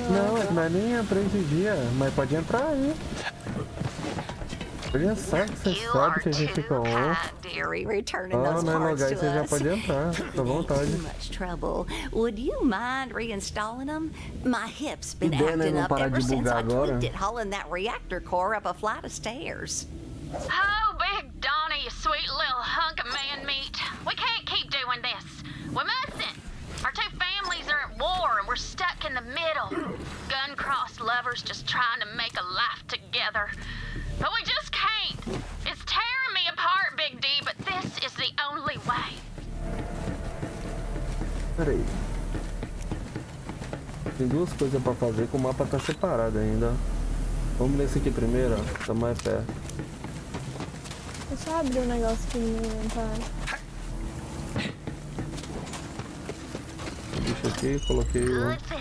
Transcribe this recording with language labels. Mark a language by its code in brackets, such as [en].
[pt] Não, mas nem entrou esse dia. Mas pode entrar aí. Olha só que você sabe que a gente fica on. Oh, né, lugar, você já pode entrar, tá à vontade. [en] Would you mind reinstalling them? My hip's been acting up ever since I tweaked it, hauling that reactor core up a flight of stairs. Oh, big Donnie, you sweet little hunk of man meat. We can't keep doing this. We mustn't. Our two families are at war and we're stuck in the middle. Gun-crossed lovers just trying to make a life together. But we just can't. It's tearing me apart, Big D, but this is the only way. [pt] Peraí. Tem duas coisas pra fazer, que o mapa tá separado ainda. Vamos nesse aqui primeiro, ó. Tá mais perto. Deixa eu abrir um negócio aqui no meu inventário. Deixa aqui, coloquei. Ó.